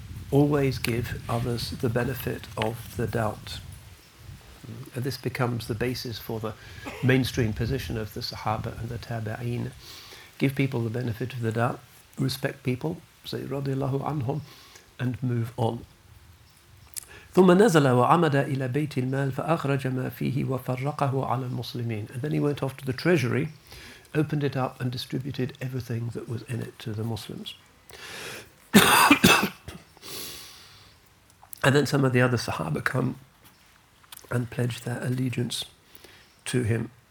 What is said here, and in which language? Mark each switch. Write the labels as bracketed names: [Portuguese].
[English] Always give others the benefit of the doubt. And this becomes the basis for the mainstream position of the Sahaba and the Tabi'een. Give people the benefit of the doubt, respect people, say radiallahu anhum, and move on. [Arabic] ثم نزل وعمد إلى بيت المال فأخرج ما فيه وفرقه على المسلمين. [English] And then he went off to the treasury, opened it up and distributed everything that was in it to the Muslims. And then some of the other Sahaba come and pledge their allegiance to him.